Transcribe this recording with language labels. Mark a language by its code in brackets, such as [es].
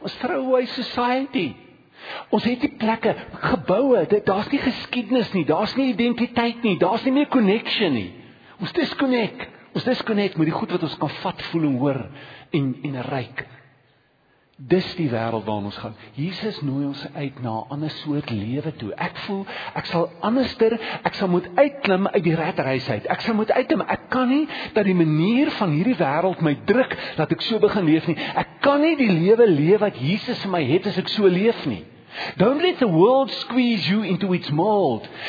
[af] Ons throwaway society. Ons het die plekke, geboue, daar's nie geskiedenis nie, daar's nie identiteit nie, daar's nie meer connection nie. Ons disconnect. Ons disconnect met die goed wat ons kan vat, voel en hoor en ryk. Dis die wêreld waarin ons gaan. Jesus nooi ons uit na 'n ander soort lewe toe. Ek voel, ek sal moet uitklim uit die rat race uit. Ek sal moet uitklim, ek kan nie dat die manier van hierdie wêreld my druk, dat ek so begin leef nie. Ek kan nie die lewe leef wat Jesus vir my het as ek so leef nie. [en] Don't let the world squeeze you into its mold.